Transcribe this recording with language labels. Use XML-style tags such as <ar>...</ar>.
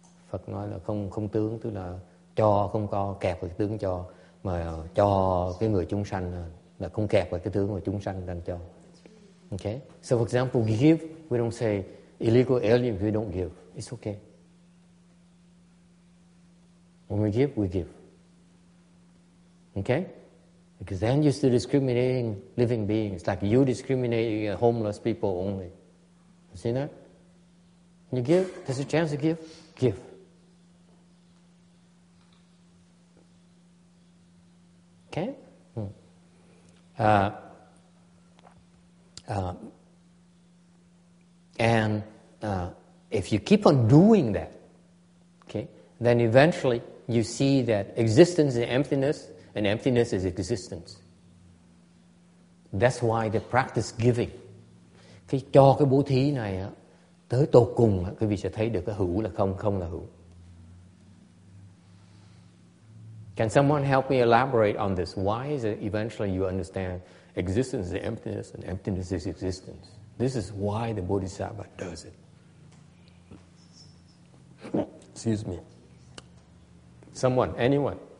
<vi>Phật nói là không tướng, tức là cho không có kẹp cái tướng cho, mà cho cái người chúng sanh là không kẹp cái tướng mà chúng sanh đang cho.</vi> <en>Okay, so for example, we give, we don't say illegal alien, we don't give. It's okay. When we give, we give. Okay? Because then you're still discriminating living beings, like you discriminating homeless people only. You see that? When you give, there's a chance to give, give. Okay? If you keep on doing that, okay, then eventually you see that existence is emptiness, and emptiness is existence. That's why the practice giving.</en> <vi>Khi cho cái bố thí này á, tới tột cùng á, quý vị sẽ thấy được cái hữu là không, không là hữu.</vi> <en>Can someone help me elaborate on this? Why is it eventually you understand existence is emptiness, and emptiness is existence? This is why the bodhisattva does it. Excuse me. Someone, anyone.</en>